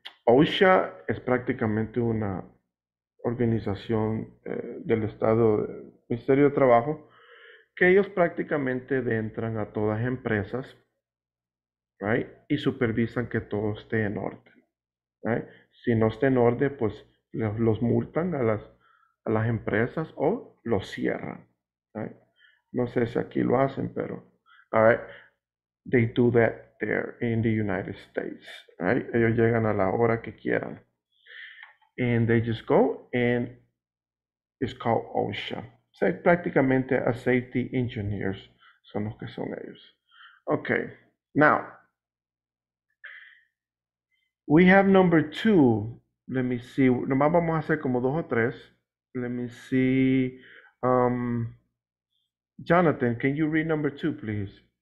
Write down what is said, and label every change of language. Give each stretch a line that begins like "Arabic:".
Spanish: OSHA es prácticamente una organización del Estado, del Ministerio de Trabajo, que ellos prácticamente entran a todas empresas right? Y supervisan que todo esté en orden, right? Si no está en orden, pues los multan a las empresas o los cierran, right? No sé si aquí lo hacen, pero, all right?
English: They do that there in the United States, right?
Spanish: Ellos llegan a la hora que quieran.
English: And they just go, and it's called OSHA.
Spanish: So, prácticamente a safety engineers son los que son ellos.
English: Okay, now, we have number two. Let me see,
Spanish: nomás vamos a hacer como dos o tres.
English: Let me see, Jonathan, can you read number two, please?